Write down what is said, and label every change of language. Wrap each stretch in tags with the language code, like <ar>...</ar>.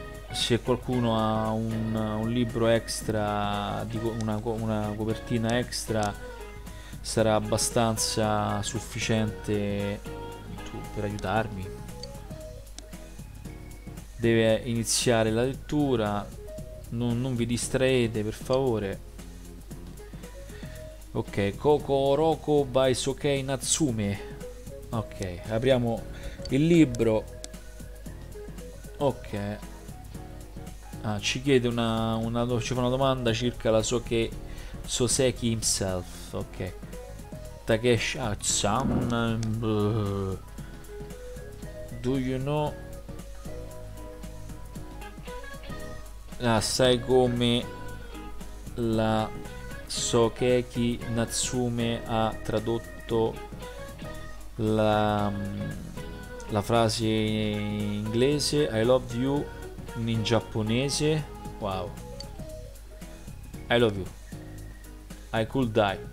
<it>Se qualcuno ha un libro extra, una copertina extra, sarà abbastanza sufficiente per aiutarmi. Deve iniziare la lettura, non vi distraete, per favore.</it> <en>Ok, Kokoroko by Sokei Natsume.</en> <it>Ok, apriamo il libro. Ok. Ah, ci chiede ci fa una domanda circa la Soseki himself. Ok. Takeshi Atsan.</it> <en>Do you know?</en> <it>Ah, sai come la Sokeki Natsume ha tradotto la frase in inglese</it> <en>I love you</en> <it>in giapponese?</it> <en>Wow, I love you, I could die.</en>